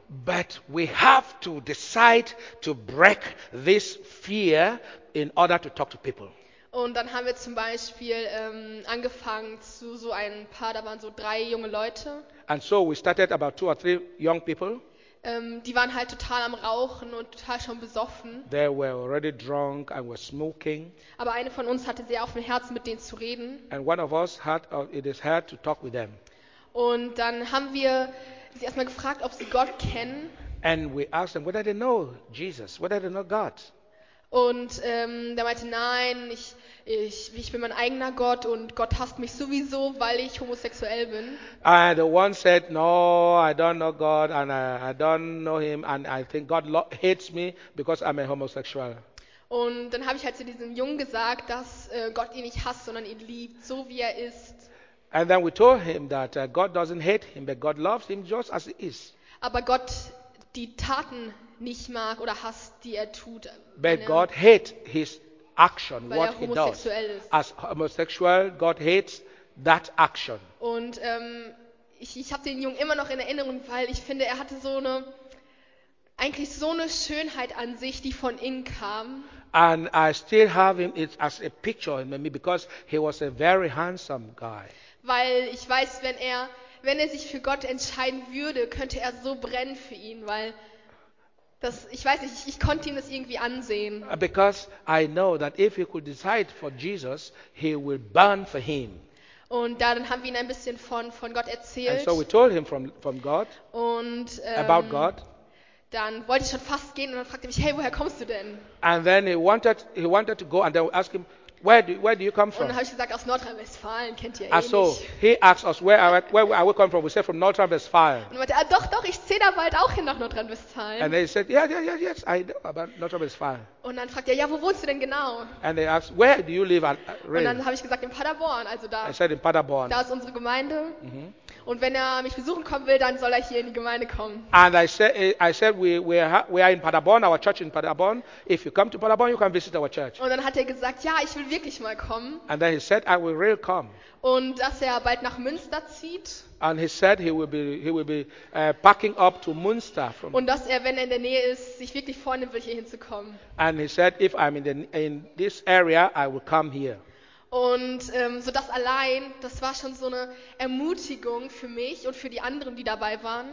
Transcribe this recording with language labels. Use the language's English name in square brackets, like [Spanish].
[English] But we have to decide to break this fear in order to talk to people. [German] Und dann haben wir zum Beispiel angefangen zu so ein paar, da waren so 3 junge Leute. [English] And so we started about 2 or 3 young people. [German] Die waren halt total am Rauchen und total schon besoffen. [English] They were already drunk and were smoking. [German] Aber eine von uns hatte sehr auf dem Herzen, mit denen zu reden. [English] And one of us had it is hard to talk with them. [German] Und dann haben wir sie erstmal gefragt, ob sie Gott kennen. [English] And we asked them whether they know Jesus, whether they know God. [German] Und der meinte, nein, ich bin mein eigener Gott und Gott hasst mich sowieso, weil ich homosexuell bin. [English] And the one said, no, I don't know God and I don't know him and I think God hates me because I'm a homosexual. [German] Und dann habe ich halt zu diesem Jungen gesagt, dass Gott ihn nicht hasst, sondern ihn liebt, so wie er ist. [English] And then we told him that God doesn't hate him, but God loves him just as he is. [German] Aber Gott die Taten nicht mag oder hasst, die er tut. [English] But God hates his action, what he does. As homosexual, God hates that action. [German] Und ich habe den Jungen immer noch in Erinnerung, weil ich finde, er hatte eigentlich so eine Schönheit an sich, die von innen kam. [English] And I still have him it as a picture in me because he was a very handsome guy. [German] Weil ich weiß, wenn er sich für Gott entscheiden würde, könnte er so brennen für ihn, weil das, ich weiß nicht, ich konnte ihm das irgendwie ansehen. [English] Because I know that if he could decide for Jesus, he will burn for him. [German] Und dann haben wir ihn ein bisschen von Gott erzählt. [English] And so we told him from God. [German] Und [English] about God. [German] Dann wollte ich schon fast gehen und dann fragte er mich, hey, woher kommst du denn? [English] And then he wanted to go and then ask him, where do you come from? [German] Und dann habe ich gesagt, aus Nordrhein-Westfalen, kennt ihr nicht. [English] He asked us, where are we coming from? We said, from Nordrhein-Westfalen. [German] Und meinte, doch, ich zähle da bald auch hin nach Nordrhein-Westfalen. [English] And then he said, yes, I know about Nordrhein-Westfalen. [German] Und dann fragte er, ja, wo wohnst du denn genau? [English] And they asked, where do you live? Really? [German] Und dann habe ich gesagt, in Paderborn, also da. [English] I said, in Paderborn. [German] Da ist unsere Gemeinde. Mm-hmm. Und wenn er mich besuchen kommen will, dann soll er hier in die Gemeinde kommen. [English] And I said we are in Paderborn, our church in Paderborn. If you come to Paderborn, you can visit our church. [German] Und dann hat er gesagt, ja, ich will wirklich mal kommen. [English] And then he said I will really come. [German] Und dass er bald nach Münster zieht. [English] And he said he will be packing up to Münster from. [German] Und dass er, wenn er in der Nähe ist, sich wirklich vornehmen will, hier hinzukommen. [English] And he said if I'm in this area, I will come here. [German] Und so das allein, das war schon so eine Ermutigung für mich und für die anderen, die dabei waren.